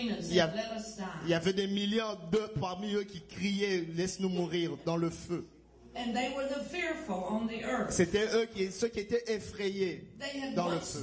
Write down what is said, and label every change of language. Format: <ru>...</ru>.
<fr>Il y avait des millions d'eux parmi eux qui criaient, laisse-nous mourir dans le feu.</fr> <en>And they were the fearful on the earth.</en> <fr>C'était ceux qui étaient effrayés dans le feu.</fr>